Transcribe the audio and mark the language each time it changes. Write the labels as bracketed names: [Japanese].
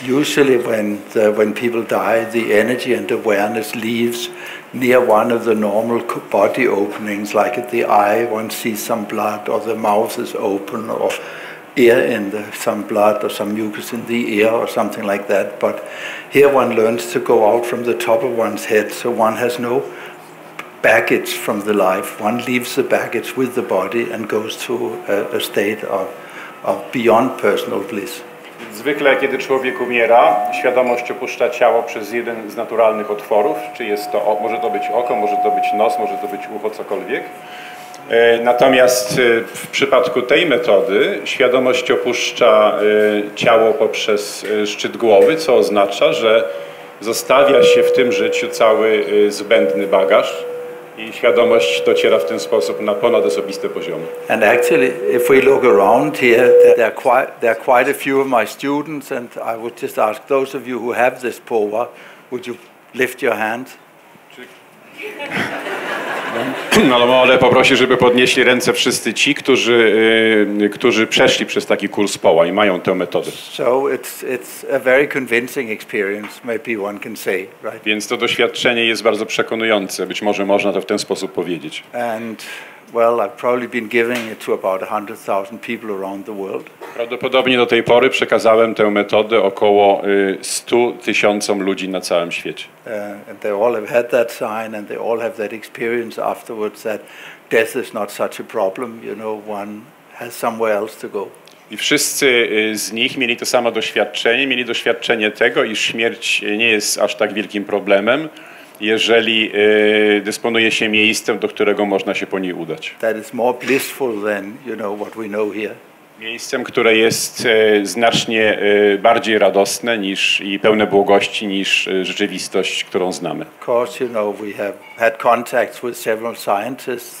[English] Usually when people die, the energy and awareness leaves near one of the normal body openings, like at the eye, one sees some blood, or the mouth is open, or ear in the, some blood, or some mucus in the ear, or something like that. But here one learns to go out from the top of one's head, so one has no baggage from the life. One leaves the baggage with the body and goes to a state of beyond personal bliss. [Polish] Zwykle, kiedy człowiek umiera, świadomość opuszcza ciało przez jeden z naturalnych otworów, czy jest to, może to być oko, może to być nos, może to być ucho, cokolwiek. Natomiast w przypadku tej metody świadomość opuszcza ciało poprzez szczyt głowy, co oznacza, że zostawia się w tym życiu cały zbędny bagaż. I świadomość dociera w ten sposób na ponad osobiste poziomy. [English] And actually, if we look around here, there are quite a few of my students, and I would just ask those of you who have this power, would you lift your hand? [Polish] No, ale poprosić, żeby podnieśli ręce wszyscy ci, którzy przeszli przez taki kurs POWA i mają tę metodę. [English] So it's a very convincing experience, maybe one can say, right? [Polish] Więc to doświadczenie jest bardzo przekonujące, być może można to w ten sposób powiedzieć. [English] And well, I've probably been giving it to about 100,000 people around the world. [Polish] Prawdopodobnie do tej pory przekazałem tę metodę około 100 tysiącom ludzi na całym świecie. [English] And they all have had that sign, and they all have that experience afterwards that death is not such a problem, you know, one has somewhere else to go. [Polish] I wszyscy z nich mieli to samo doświadczenie, mieli doświadczenie tego, iż śmierć nie jest aż tak wielkim problemem, jeżeli dysponuje się miejscem, do którego można się po niej udać. [English] That is more blissful than, you know, what we know here. [Polish] Miejscem, które jest znacznie bardziej radosne niż i pełne błogości niż rzeczywistość, którą znamy. [English] Of course, you know, we have had contacts with several scientists.